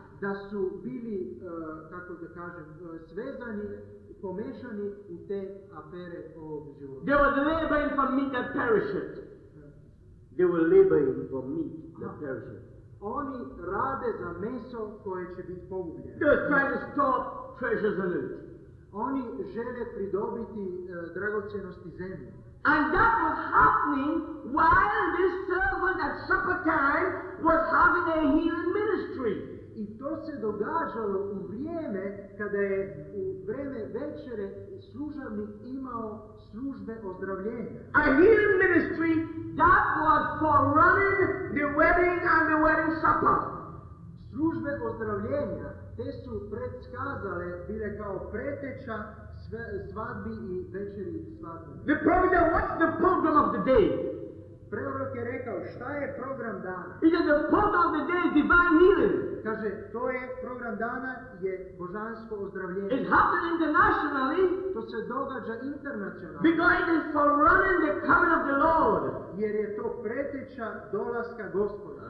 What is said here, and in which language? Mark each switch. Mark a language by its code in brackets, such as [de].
[hr] Da su bili, kako da kažem, svezani, pomešani u te afere ovog života. [en] They were laboring for meat that perisheth. They were laboring for meat that perisheth. [hr] Oni rade za meso koje će biti pogubljeno. [en] They were trying to store treasures on earth. [hr] Oni žele pridobiti dragocenosti zemlje. [en] And that was happening while this servant at supper time was having a healing ministry. [hr] I to se događalo u vrijeme kada je u vrijeme večere služavnik imao službe ozdravljenja. [en] A healing ministry that was for running the wedding and the wedding supper. [hr] Službe ozdravljenja, te su predskazale, bile kao preteča svadbi i večeri svadbi. [en] The prophet, what's the problem of the day? [hr] Prorok je rekao, šta je program dana? [en] It is the program of the day, divine healing. [hr] Kaže, to je program dana, je božansko ozdravljenje. [en] It happened internationally. [hr] To se događa internacionalno. [en] Because it is forerunning the coming of the Lord. [hr] Jer je to preteča dolaska Gospoda.